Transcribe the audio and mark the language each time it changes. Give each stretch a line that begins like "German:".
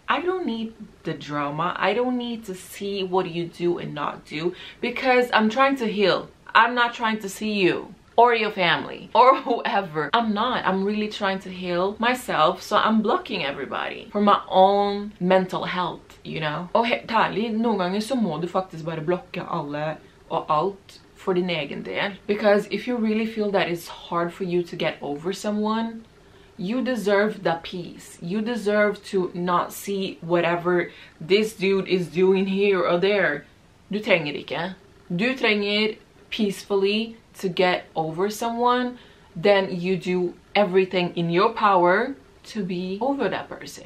English: I don't need the drama. I don't need to see what you do and not do, because I'm trying to heal. I'm not trying to see you or your family or whoever. I'm not. I'm really trying to heal myself, so I'm blocking everybody for my own mental health, you know?
Norwegian: Og helt ærlig, noen ganger så må du faktisk bare blokke alle og alt for din egen del.
English: Because if you really feel that it's hard for you to get over someone, you deserve the peace. You deserve to not see whatever this dude is doing here or there.
Norwegian: Du trenger ikke. Du trenger
English: peacefully to get over someone, then you do everything in your power to be over that person.